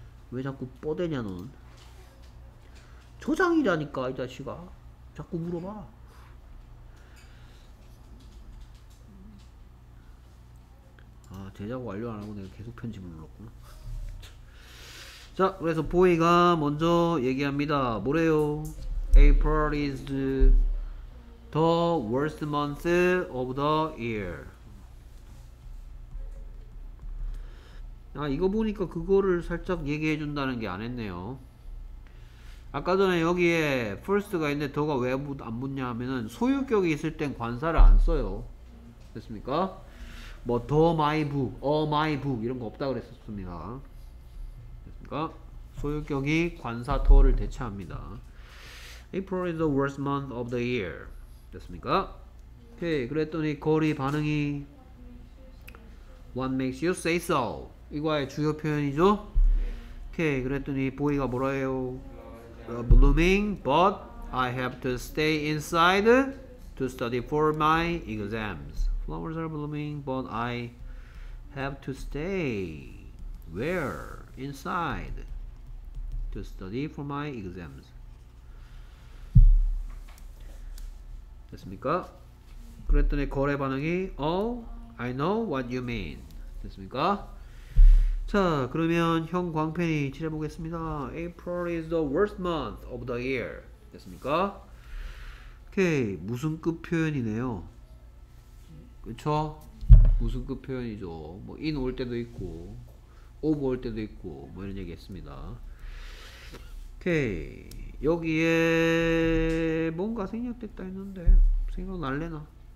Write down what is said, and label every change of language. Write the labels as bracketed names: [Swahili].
[Korean] 왜 자꾸 뻗대냐 넌? 초장이라니까 이 자식아. 자꾸 물어봐. 아, 제작 완료 안 하고 내가 계속 편집을 눌렀구나. 자, 그래서 보이가 먼저 얘기합니다. 뭐래요? [English] April is the worst month of the year. [Korean] 아, 이거 보니까 그거를 살짝 얘기해 준다는 게 안 했네요. 아까 전에 여기에 first가 있는데 더가 왜 안 붙냐 하면은 소유격이 있을 땐 관사를 안 써요. 됐습니까? 뭐 [English] the my book, a my book [Korean] 이런 거 없다 그랬었습니다. 됐습니까? 소유격이 관사 더를 대체합니다. [English] April is the worst month of the year. [Korean] 됐습니까? 오케이. 그랬더니 거리 반응이 [English] What makes you say so? [Korean] 이거의 주요 표현이죠? 오케이. 그랬더니 보이가 뭐라 해요? [English] The blooming, but I have to stay inside to study for my exams. Flowers are blooming, but I have to stay where? Inside to study for my exams. [Korean] 됐습니까? 그랬더니 거래 반응이 [English] Oh, I know what you mean. [Korean] 됐습니까? 자, 그러면 형 광팬이 칠해보겠습니다. [English] April is the worst month of the year. [Korean] 됐습니까? 오케이, 무슨 급 표현이네요. 그쵸? 무슨 급 표현이죠. 뭐 in 올 때도 있고 off 올 때도 있고 뭐 이런 얘기 했습니다. 오케이, 여기에 뭔가 생략됐다 했는데 생각날래나.